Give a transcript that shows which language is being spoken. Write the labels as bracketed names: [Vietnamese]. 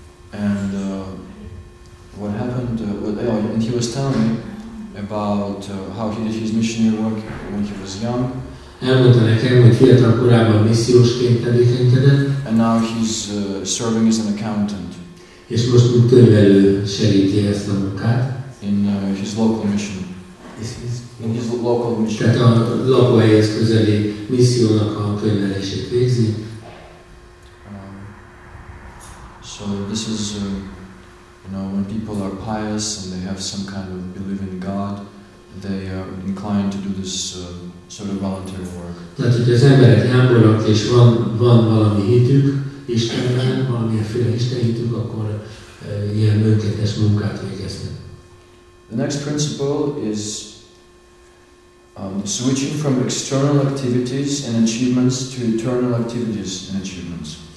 [English] And what happened, and he was telling me about how he did his missionary work when he was young. [Hungarian] Elmondta nekem, hogy fiatal korában missziósként tevékenykedett. [English] And now he's serving as an accountant. [Hungarian] És most útkönyvelő segíti ezt a munkát. [English] In his local mission. In his local mission. [Hungarian] Tehát a lakóhelyhez közeli missziónak a könyvelését végzi. [English] So this is, you know, when people are pious and they have some kind of belief in God, they are inclined to do this sort of voluntary work. [Hungarian] Tehát, hogy az emberek jámbornak és van valami hitük Istenben, valamilyenféle Isten hitük, akkor ilyen önkéntes munkát végeznek. [English] The next principle is switching from external activities and achievements to internal activities and achievements.